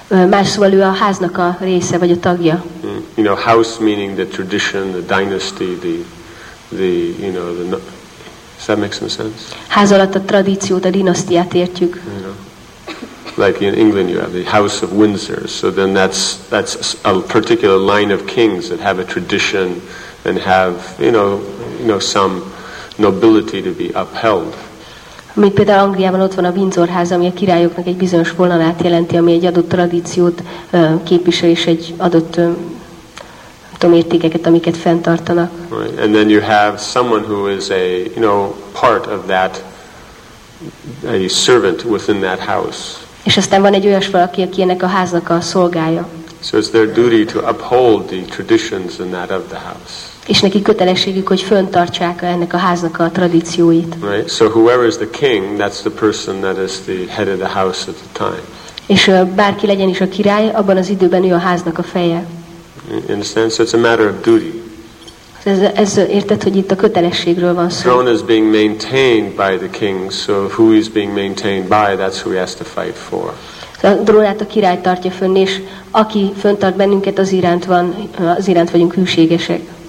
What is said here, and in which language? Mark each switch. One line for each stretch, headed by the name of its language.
Hungarian: Más szóval ő a háznak a része, vagy a tagja.
English: You know, house meaning the tradition, the dynasty, the you know, the, does that make some sense?
Hungarian: Ház alatt a tradíciót, a dinasztiát értjük.
English: You know. Like in England you have the House of Windsor, so then that's a particular line of kings that have a tradition and have you know some nobility to be upheld.
Hungarian: Mint például Angliában ott van a Windsor ház, ami a királyoknak egy bizonyos vonalát jelenti, ami egy adott tradíciót képvisel és egy adott értékeket, amiket fenntartanak.
English: Right. And then you have someone who is a you know part of that, a servant within that house.
Hungarian: És aztán van egy olyas valaki, aki ennek a háznak a szolgája.
English: So it's their duty to uphold the traditions and that of the house.
Hungarian: És neki kötelességük, hogy föntartsák ennek a háznak a tradícióit.
English: Right. So whoever is the king, that's the person that is the head of the house at the time.
Hungarian: És bárki legyen is a király, abban az időben ő a háznak a feje.
English: In a sense, it's a matter of duty.
Hungarian: Ez érted, hogy itt a kötelességről van szó.
English: Throne is being maintained by the king, so who is being maintained by, that's who he has to fight for.
Hungarian: A drónát a király tartja fönn, és aki föntart bennünket, az iránt van, az iránt vagyunk hűségesek.